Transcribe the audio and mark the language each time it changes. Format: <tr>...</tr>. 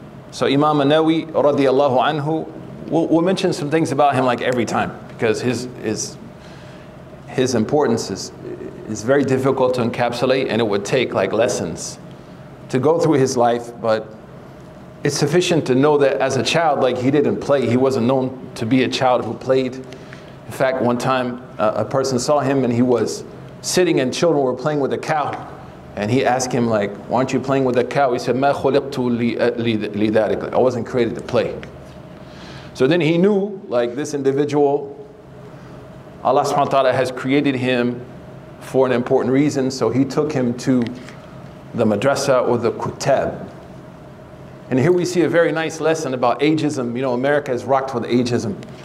<en>So Imam Nawawi, radiallahu anhu, we'll mention some things about him like every time because his importance is very difficult to encapsulate, and it would take like lessons to go through his life, but it's sufficient to know that as a child, like he didn't play. He wasn't known to be a child who played. In fact, one time a person saw him and he was sitting and children were playing with a cow. And he asked him like, why aren't you playing with a cow?</en> <ar>He said, ما خلقت لذلك.</ar> <en>I wasn't created to play. So then he knew like this individual, Allah subhanahu wa ta'ala has created him for an important reason. So he took him to the madrasa or the kutab. And here we see a very nice lesson about ageism. You know, America is rocked with ageism.</en>